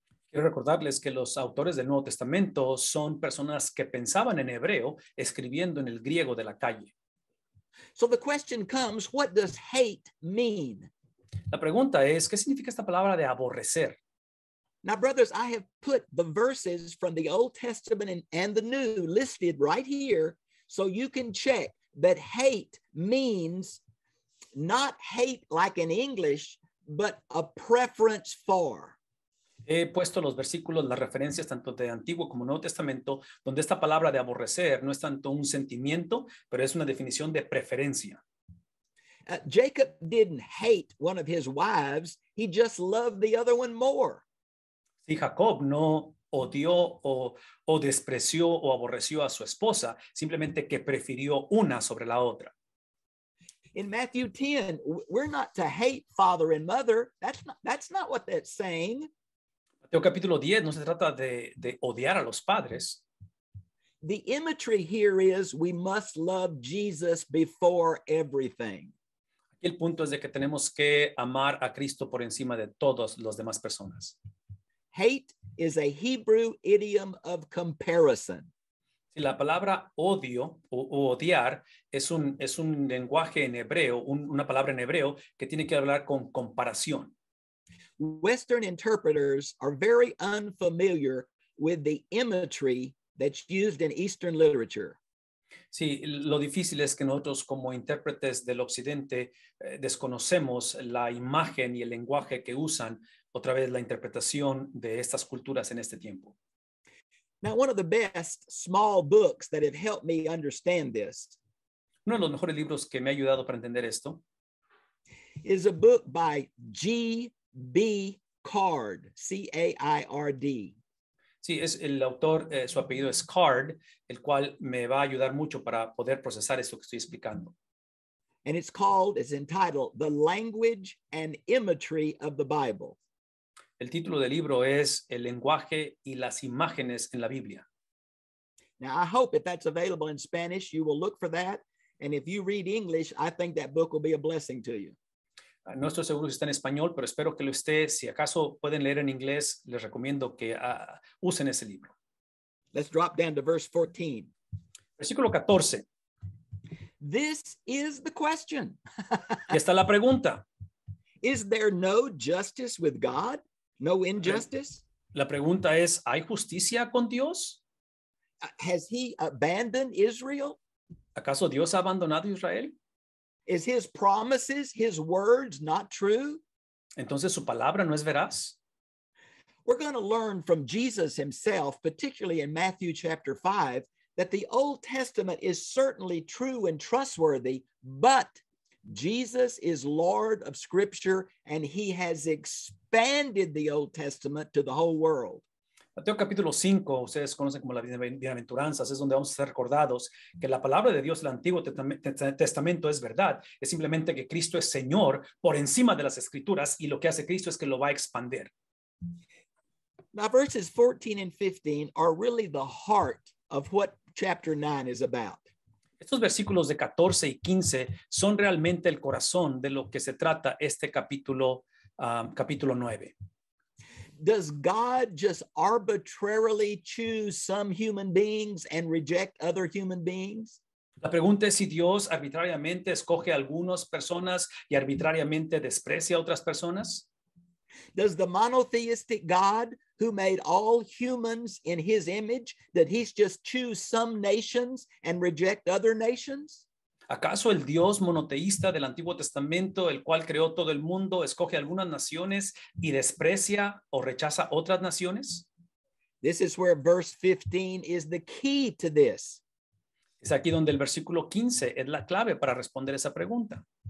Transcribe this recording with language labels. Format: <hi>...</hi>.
<es>Quiero recordarles que los autores del Nuevo Testamento son personas que pensaban en hebreo escribiendo en el griego de la calle.</es> <en>So the question comes, what does hate mean?</en> <es>La pregunta es, ¿qué significa esta palabra de aborrecer?</es> <en>Now, brothers, I have put the verses from the Old Testament and the New listed right here so you can check that hate means not hate like in English, but a preference for.</en> <es>He puesto los versículos, las referencias tanto de Antiguo como Nuevo Testamento, donde esta palabra de aborrecer no es tanto un sentimiento, pero es una definición de preferencia.</es> <en>Jacob didn't hate one of his wives, he just loved the other one more.</en> <es>Sí, Jacob no odió o despreció o aborreció a su esposa, simplemente que prefirió una sobre la otra.</es> <en>In Matthew 10, we're not to hate father and mother. That's not what that's saying.</en> <es>Mateo capítulo 10, no se trata de odiar a los padres.</es> <en>The imagery here is we must love Jesus before everything.</en> <es>Aquí el punto es de que tenemos que amar a Cristo por encima de todas las demás personas.</es> <en>Hate is a Hebrew idiom of comparison.</en> <es>Si la palabra odio o odiar es un lenguaje en hebreo, una palabra en hebreo que tiene que hablar con comparación.</es> <en>Western interpreters are very unfamiliar with the imagery that's used in Eastern literature.</en> <es>Sí, lo difícil es que nosotros como intérpretes del occidente desconocemos la imagen y el lenguaje que usan, otra vez la interpretación de estas culturas en este tiempo.</es> <en>Now, one of the best small books that have helped me understand this.</en> <es>Uno de los mejores libros que me ha ayudado para entender esto.</es> <en>Is a book by G.B. Card, C-A-I-R-D.</en> <es>Sí, es el autor, su apellido es Card, el cual me va a ayudar mucho para poder procesar esto que estoy explicando.</es> <en>And it's called, it's entitled, The Language and Imagery of the Bible.</en> <es>El título del libro es El lenguaje y las imágenes en la Biblia.</es> <en>Now, I hope if that's available in Spanish, you will look for that. And if you read English, I think that book will be a blessing to you.</en> <es>No estoy seguro si está en español, pero espero que lo esté. Si acaso pueden leer en inglés, les recomiendo que usen ese libro.</es> <en>Let's drop down to verse 14.</en> <es>Versículo 14.</es> <en>This is the question.</en> <es>Está la pregunta.</es> <en>Is there no justice with God? No injustice?</en> <es>La pregunta es, ¿hay justicia con Dios?</es> <en>Has he abandoned Israel?</en> <es>¿Acaso Dios ha abandonado Israel?</es> <en>Is his promises, his words not true?</en> <es>¿Entonces su palabra no es veraz?</es> <en>We're going to learn from Jesus himself, particularly in Matthew chapter 5, that the Old Testament is certainly true and trustworthy, but Jesus is Lord of Scripture and he has expanded the Old Testament to the whole world.</en> <es>Mateo capítulo 5, ustedes conocen como las bienaventuranzas, es donde vamos a ser recordados que la palabra de Dios del Antiguo Testamento es verdad, es simplemente que Cristo es Señor por encima de las Escrituras y lo que hace Cristo es que lo va a expandir.</es> <en>Now verses 14 and 15 are really the heart of what chapter 9 is about.</en> <es>Estos versículos de 14 y 15 son realmente el corazón de lo que se trata este capítulo, capítulo 9.</es> <en>Does God just arbitrarily choose some human beings and reject other human beings?</en> <es>La pregunta es si Dios arbitrariamente escoge algunas personas y arbitrariamente desprecia otras personas.</es> <en>Does the monotheistic God who made all humans in his image, that he's just choose some nations and reject other nations?</en> <es>¿Acaso el Dios monoteísta del Antiguo Testamento, el cual creó todo el mundo, escoge algunas naciones y desprecia o rechaza otras naciones?</es> <en>This is where verse 15 is the key to this.</en> <es>Es aquí donde el versículo 15 es la clave para responder esa pregunta.</es>